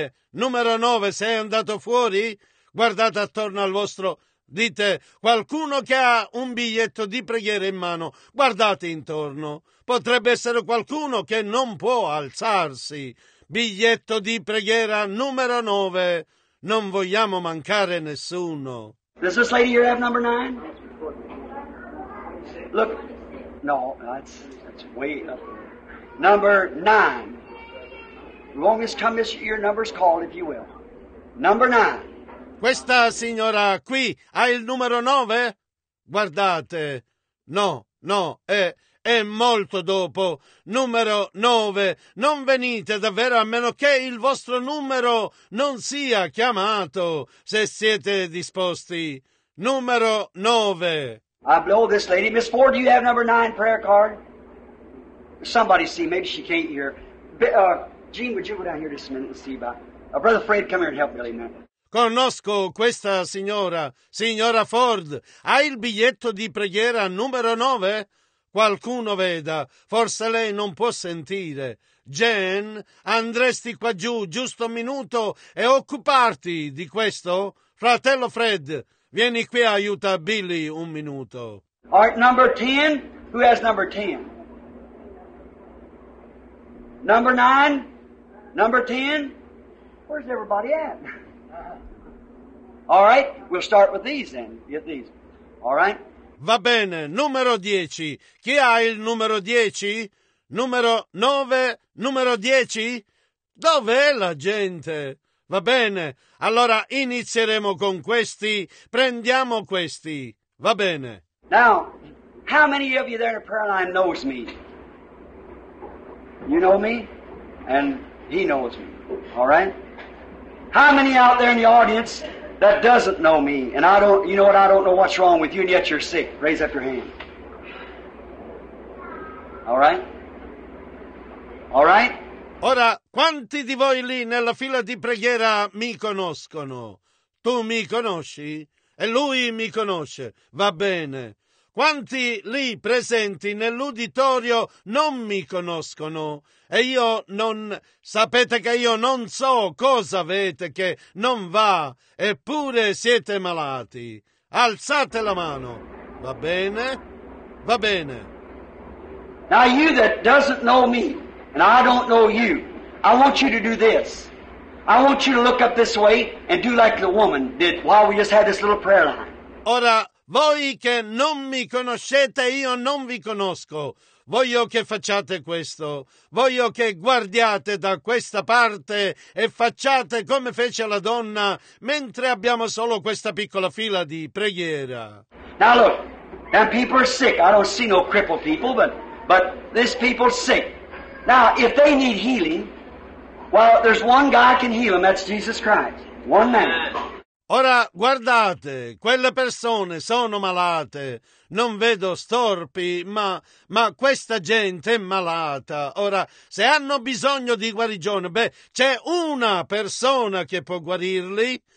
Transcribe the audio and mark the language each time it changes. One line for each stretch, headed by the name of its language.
Italian: Numero 9, sei andato fuori? Guardate attorno al vostro, dite, qualcuno che ha un biglietto di preghiera in mano, guardate intorno, potrebbe essere qualcuno che non può alzarsi. Biglietto di preghiera numero 9, non vogliamo mancare nessuno.
English: Does this lady here have number 9? Look, no, that's way up there. Number 9. Long as come this year, number's called, if you will. Number 9.
Italian: Questa signora qui ha il numero 9? Guardate. No, è molto dopo. Numero 9. Non venite davvero a meno che il vostro numero non sia chiamato, se siete disposti. Numero 9.
English: I blow this lady. Miss Ford, do you have number 9 prayer card? Somebody see. Maybe she can't hear. Gene, would you go down here just a minute and see about... Brother Fred, come here and help Billy, man.
Italian: Conosco questa signora. Signora Ford, ha il biglietto di preghiera numero 9? Qualcuno veda, forse lei non può sentire. Jane, andresti qua giù giusto un minuto e occuparti di questo? Fratello Fred, vieni qui e aiuta Billy un minuto.
English: All right, number 10, who has number 10? Number 9, number 10, where's everybody at? All right, we'll start with these then, get these, all right?
Italian: Va bene, numero 10. Chi ha il numero 10? Numero 9, numero 10? Dov'è la gente? Va bene, allora inizieremo con questi. Prendiamo questi. Va bene.
English: Now, how many of you there in a prayer line knows me? You know me? And he knows me. All right? How many out there in the audience that doesn't know me, and I don't, you know what, I don't know what's wrong with you, and yet you're sick. Raise up your hand. All right? All right?
Italian: Ora, quanti di voi lì nella fila di preghiera mi conoscono? Tu mi conosci? E lui mi conosce. Va bene. Quanti lì presenti nell'uditorio non mi conoscono? E io non... Sapete che io non so cosa avete che non va, eppure siete malati. Alzate la mano. Va bene? Va bene.
English: Now you that doesn't know me, and I don't know you, I want you to do this. I want you to look up this way and do like the woman did while we just had this little prayer line.
Italian: Ora, voi che non mi conoscete, io non vi conosco. Voglio che facciate questo. Voglio che guardiate da questa parte e facciate come fece la donna mentre abbiamo solo questa piccola fila di preghiera.
English: Now look, and people are sick. I don't see no crippled people, but these people are sick. Now, if they need healing, well, there's one guy can heal them. That's Jesus Christ. One man.
Italian: Ora, guardate, quelle persone sono malate. Non vedo storpi, ma questa gente è malata. Ora, se hanno bisogno di guarigione, beh, c'è una persona che può guarirli.